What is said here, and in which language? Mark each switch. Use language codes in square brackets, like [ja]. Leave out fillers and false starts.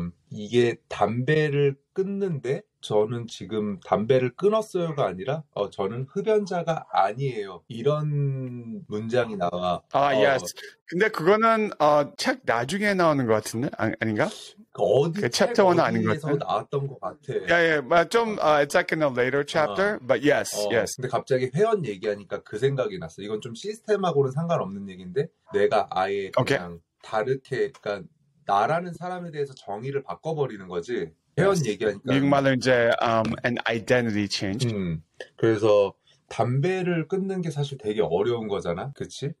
[ko] 이게 담배를 끊는데, 저는 지금 담배를 끊었어요가 아니라 저는 흡연자가 아니에요. 이런 문장이 나와. [en] Yes. [ko] 근데 그거는 책 나중에 나오는 것 같은데 아닌가? 어디 챕터 1 아닌 것 같은데 나왔던 것 같아. [en] It's like in a later chapter, but yes, yes. [ko] 근데 갑자기 회원 얘기하니까 그 생각이 났어. 이건 좀 시스템하고는 상관없는 얘기인데 내가 아예 그냥 다르게, 그러니까 나라는 사람에 대해서 정의를 바꿔버리는 거지. 회원 얘기하니까 미국말로 이제 [en] an identity change. [ko] 그래서 담배를 끊는 게 사실 되게 어려운 거잖아, 그렇지?